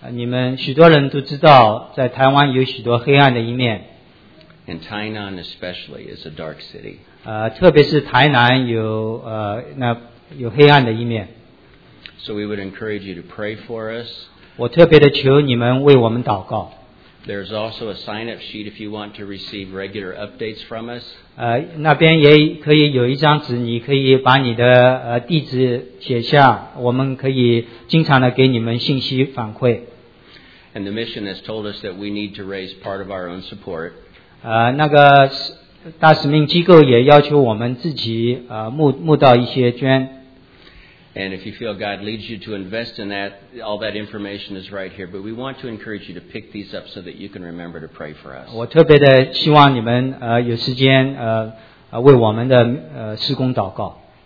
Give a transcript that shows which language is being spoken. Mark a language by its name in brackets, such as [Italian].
[Chinese] 你们许多人都知道，在台湾有许多黑暗的一面。 [English] And Tainan especially is a dark city. [Chinese] 特别是台南有那有黑暗的一面。 [English] So we would encourage you to pray for us. [Chinese] 我特别的求你们为我们祷告。 [English] There's also a sign-up sheet if you want to receive regular updates from us. [Chinese] 那边也可以有一张纸，你可以把你的地址写下，我们可以经常的给你们信息反馈。 [English] And the mission has told us that we need to raise part of our own support. [Chinese] 那个大使命机构也要求我们自己募到一些捐。 [English] And if you feel God leads you to invest in that, all that information is right here. But we want to encourage you to pick these up so that you can remember to pray for us. [Chinese] 我特别的希望你们有时间为我们的施工祷告。